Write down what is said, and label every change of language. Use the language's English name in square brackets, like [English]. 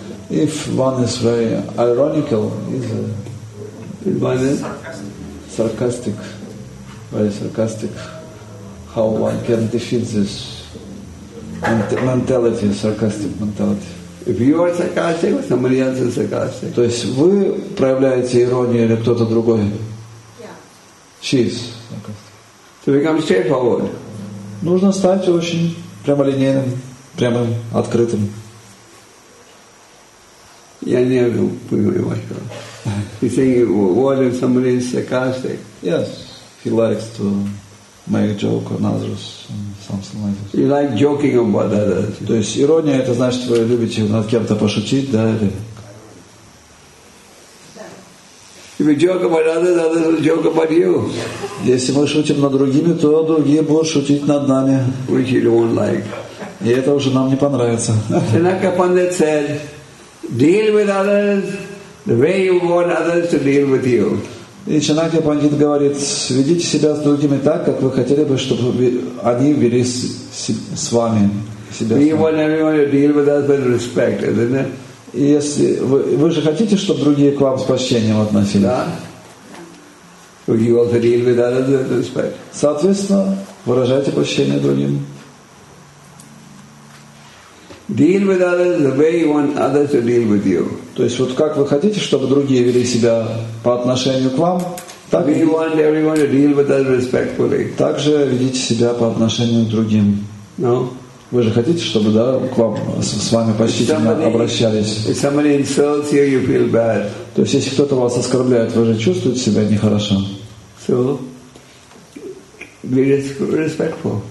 [English] If one is very ironical, is sarcastic. Very sarcastic. How one can defeat this mentality, sarcastic mentality. If you are sarcastic, somebody else is sarcastic. [Russian] То есть вы проявляете иронию или кто-то другой? [English] Yeah. She is sarcastic. So become straightforward. [Russian] Нужно стать очень прямолинейным, прямым, открытым. Я не понимаю вашего. [English] You think what if somebody is sarcastic? Yes, he likes to make a joke on others and something like this. You like joking about others. [Russian] То есть ирония это значит, вы любите над кем-то пошутить, да? Или... [English] If you joke about others, others will joke about you. [Russian] Если мы шутим над другими, то другие будут шутить над нами. [English] Which you won't like. [Russian] И это уже нам не понравится. [English] Seneca Pandit said, deal with others the way you want others to deal with you. [Russian] И Чанакья Пандит говорит, ведите себя с другими так, как вы хотели бы, чтобы они вели с вами себя. [English] We want everyone to deal with us with respect, isn't it? [Russian] И если вы же хотите, чтобы другие к вам с почтением относились. [English] You also deal with others with respect. [Russian] Соответственно, выражайте почтение другим. [English] Deal with others the way you want others to deal with you. [Russian] То есть вот как вы хотите, чтобы другие вели себя по отношению к вам, так [English] we want everyone to deal with us respectfully. [Russian] Также ведите себя по отношению к другим. [English] No? [Russian] Вы же хотите, чтобы да, к вам с вами почтительно обращались. [English] If somebody insults you, you feel bad. [Russian] То есть если кто-то вас оскорбляет, вы же чувствуете себя нехорошо. [English] So, be respectful.